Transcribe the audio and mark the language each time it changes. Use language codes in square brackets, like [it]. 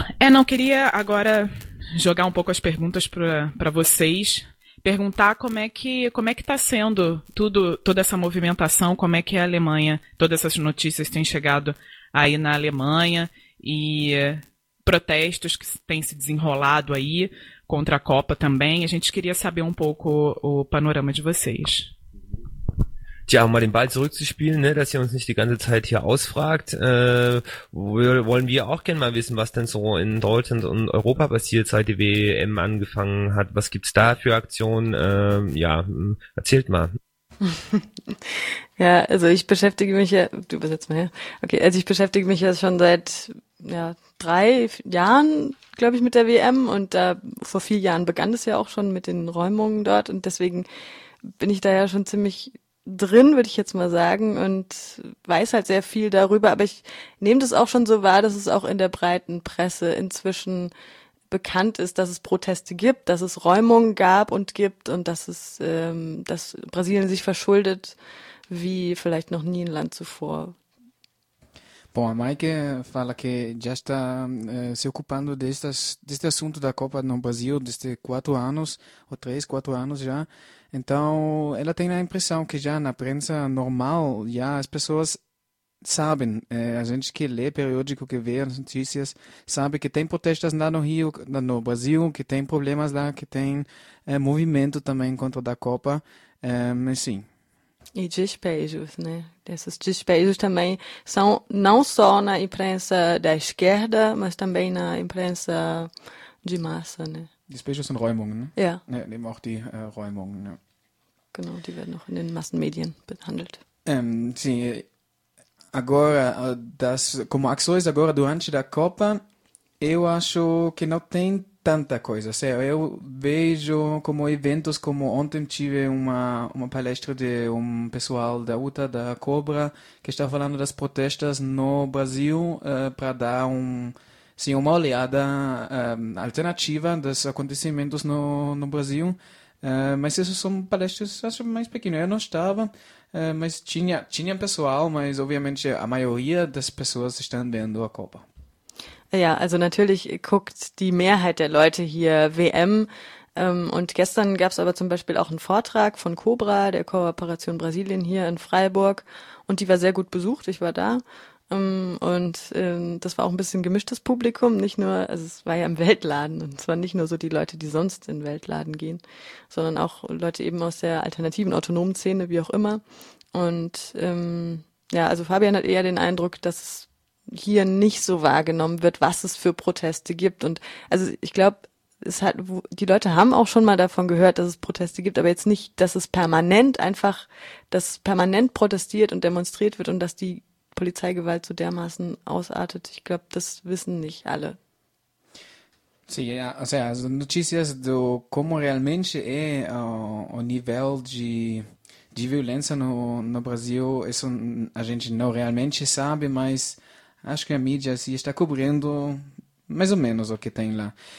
[pt] Não queria agora jogar um pouco as perguntas para vocês, perguntar como é que está sendo toda essa movimentação, como é que a Alemanha, todas essas notícias têm chegado aí na Alemanha, e protestos que têm se desenrolado aí contra a Copa também. A gente queria saber um pouco o panorama de vocês. [de] Tja, um mal den Ball zurückzuspielen, ne, dass ihr uns nicht die ganze Zeit hier ausfragt, wollen wir auch gerne mal wissen, was denn so in Deutschland und Europa passiert, seit die WM angefangen hat. Was gibt's da für Aktionen? Erzählt mal. Ja, also ich beschäftige mich ja, du übersetzt mal her. Okay, also ich beschäftige mich ja schon seit, ja, 3 Jahren, glaube ich, mit der WM, und da vor 4 Jahren begann es ja auch schon mit den Räumungen dort, und deswegen bin ich da ja schon ziemlich drin, würde ich jetzt mal sagen, und weiß halt sehr viel darüber. Aber ich nehme das auch schon so wahr, dass es auch in der breiten Presse inzwischen bekannt ist, dass es Proteste gibt, dass es Räumungen gab und gibt, und dass es, dass Brasilien sich verschuldet wie vielleicht noch nie ein Land zuvor. [pt] Bom, a Maike fala que já está se ocupando deste assunto da Copa no Brasil desde 4 anos, ou 3, 4 anos já. Então, ela tem a impressão que já na prensa normal, já as pessoas sabem. A gente que lê periódico, que vê as notícias, sabe que tem protestos lá no Rio, no Brasil, que tem problemas lá, que tem movimento também contra a Copa. Sim. E despejos, né? Esses despejos também são não só na imprensa da esquerda, mas também na imprensa de massa, né? Despejos são Räumungen, né? [de] Ja. Ja, eben auch die Räumungen, ja. Genau, die werden auch in den Massenmedien behandelt. [pt] Sim, agora, como ações agora durante a Copa, eu acho que não tem tanta coisa. Sério, eu vejo como eventos, como ontem tive uma palestra de um pessoal da UTA, da Cobra, que está falando das protestas no Brasil, para dar uma olhada alternativa dos acontecimentos no Brasil. Mas isso são palestras, acho, mais pequenas. Eu não estava, mas tinha pessoal, mas obviamente a maioria das pessoas estão vendo a Copa. [de] Ja, also natürlich guckt die Mehrheit der Leute hier WM. Und gestern gab es aber zum Beispiel auch einen Vortrag von Cobra, der Kooperation Brasilien hier in Freiburg. Und die war sehr gut besucht, ich war da. Und das war auch ein bisschen gemischtes Publikum. Nicht nur, also es war ja im Weltladen, und zwar nicht nur so die Leute, die sonst in Weltladen gehen, sondern auch Leute eben aus der alternativen, autonomen Szene, wie auch immer. Und ja, also Fabian hat eher den Eindruck, dass es hier nicht so wahrgenommen wird, was es für Proteste gibt. Und also ich glaube, es hat, die Leute haben auch schon mal davon gehört, dass es Proteste gibt, aber jetzt nicht, dass es permanent einfach, dass permanent protestiert und demonstriert wird und dass die Polizeigewalt so dermaßen ausartet. Ich glaube, das wissen nicht alle. [pt] Sim, also notícias do como realmente é o nível de violência no Brasil, isso a gente não realmente sabe, mas acho que a mídia assim está cobrindo mais ou menos o que tem lá.